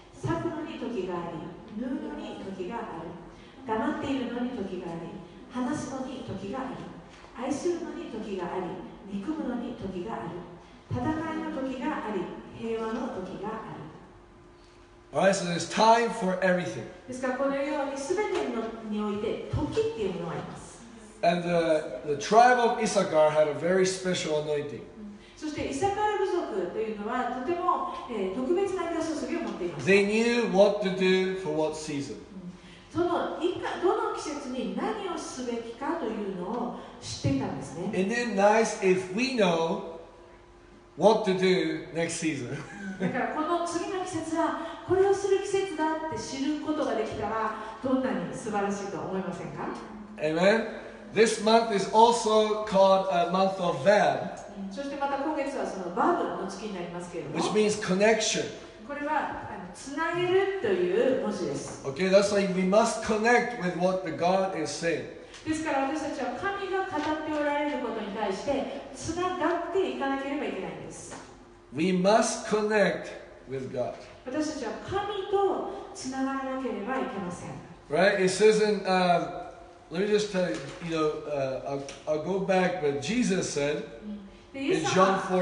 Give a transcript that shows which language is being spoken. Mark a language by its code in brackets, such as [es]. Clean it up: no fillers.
[ja] 裂くのに時があり、縫うのに時がある。黙っているのに時があり、話すのに時がある。愛するのに時があり、憎むのに時がある。戦いの時があり、平和の時がある。 [en] All right, so there's time for everything. [ja] ですからこのように全てにおいて時っていうものがあります。 [en] And the tribe of Issachar had a very special anointing. [ja] そしてイサカル部族というのはとても、特別な注ぎを持っています。 [en] They knew what to do for what season. [ja] そのどの季節に何をすべきかというのを知っていたんですね。 [en] And then nice if we know what to do next season. [ja] だからこの次の季節はこれをする季節だって知ることができたらどんなに素晴らしいと思いませんか？ [en] Amen. This month is also called a month of Vav. [ja] そしてまた今月はそのバブの月になりますけれども。 [en] Which means connection. [ja] これはつなげるという文字です。 [en] Okay, that's like we must connect with what the God is saying. [ja] ですから私たちは神が語っておられることに対してつながっていかなければいけないんです。 [en] We must connect with God. [ja] 私たちは神とつながらなければいけません。 [en] Right? It says in, let me just tell you, you know, I'll go back, but Jesus said in John